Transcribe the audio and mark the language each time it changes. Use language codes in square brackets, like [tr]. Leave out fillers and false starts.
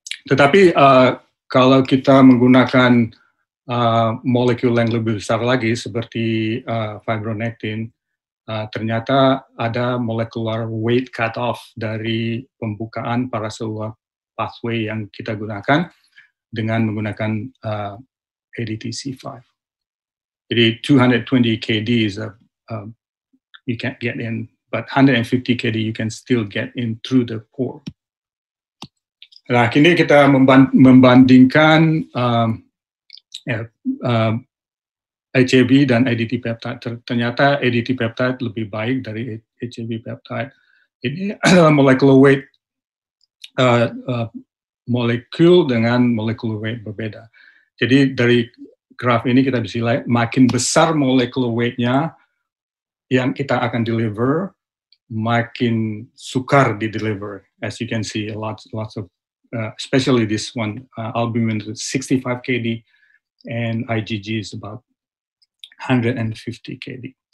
[id] Tetapi kalau kita menggunakan molekul yang lebih besar lagi seperti fibronectin, ternyata ada molecular weight cutoff dari pembukaan paracellular pathway yang kita gunakan dengan menggunakan ADTC5. [en] Jadi 220 kD is you can't get in, but 150 kD you can still get in through the pore. [id] Nah, kini kita membandingkan HCV dan ADT peptide. Ternyata ADT peptide lebih baik dari HCV peptide. Ini molecular weight molekul dengan molecular weight berbeda. Jadi dari graf ini kita bisa lihat makin besar molecular weight-nya yang kita akan deliver, makin sukar di deliver. [en] As you can see, lots of especially this one albumin 65 kd and IgG is about 150 kd.